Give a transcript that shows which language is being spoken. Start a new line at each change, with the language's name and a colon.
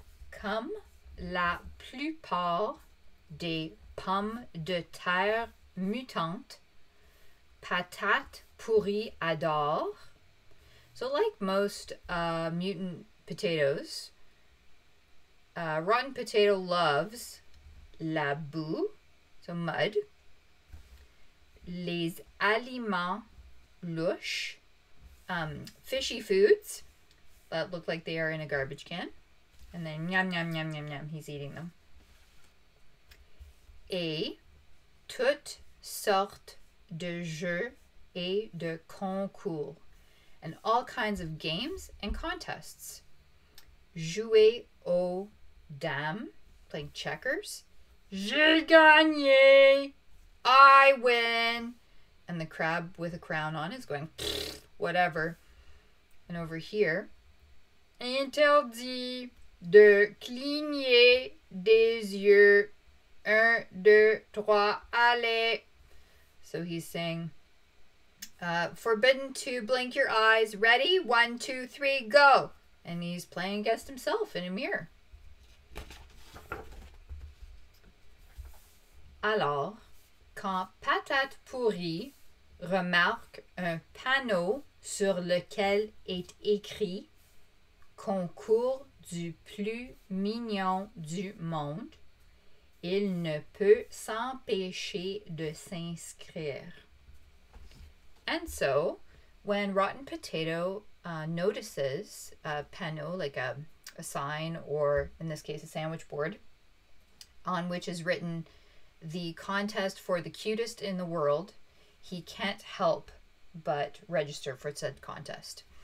French: Comme la plupart des pommes de terre mutantes, Patate pourrie adore.
English: So like most mutant potatoes, rotten potato loves
French: la boue,
English: so mud,
French: les aliments louches,
English: fishy foods that look like they are in a garbage can, and then yum yum yum yum yum, he's eating them.
French: Et toutes sortes de jeux et de concours.
English: And all kinds of games and contests.
French: Jouer aux dames,
English: playing checkers.
French: J'ai gagné!
English: I win! And the crab with a crown on is going, whatever. And over here,
French: interdit de cligner des yeux. Un, deux, trois, allez.
English: So he's saying, forbidden to blink your eyes. Ready? One, two, three, go. And he's playing against himself in a mirror.
French: Alors, quand Patate Pourrie remarque un panneau sur lequel est écrit Concours du plus mignon du monde, il ne peut s'empêcher de s'inscrire.
English: And so, when Rotten Potato notices a panneau, like a sign, or in this case, a sandwich board, on which is written the contest for the cutest in the world, he can't help but register for said contest.